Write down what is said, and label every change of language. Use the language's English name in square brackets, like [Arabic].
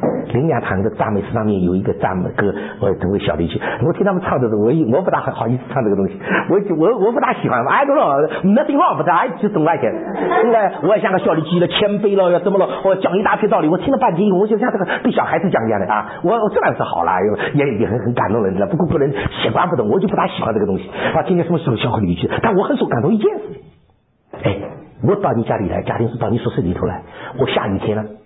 [Chinese] 林良堂的赞美诗上面有一个赞美歌，我读个小驴驹。我听他们唱的时候，我不大好意思唱这个东西，我不大喜欢。 [English] I don't know, nothing wrong with that, I just don't like it。 [Chinese] 现在我也像个小驴驹了，谦卑了，怎么了？我讲一大堆道理，我听了半天，我就像这个对小孩子讲一样的啊。我自然是好了，也很感动人的。不过个人喜欢不懂，我就不大喜欢这个东西。啊，今天什么时候小驴驹？但我很受感动一件事。哎，我到你家里来，家庭是到你宿舍里头来，我下雨天了。